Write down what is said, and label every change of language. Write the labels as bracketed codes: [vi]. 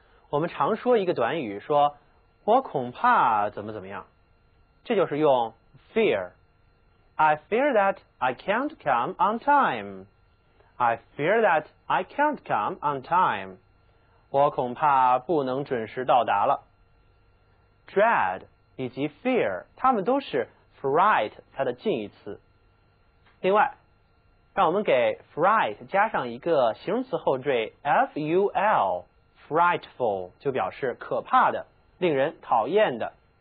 [zh] 我们常说一个短语，说我恐怕怎么怎么样，这就是用 fear。 [en] I fear that I can't come on time. I fear that I can't come on time. [zh] 我恐怕不能准时到达了。 dread 以及 fear 它们都是 fright 它的近义词。另外，让我们给 fright 加上一个形容词后缀 ful， frightful 就表示可怕的、令人讨厌的。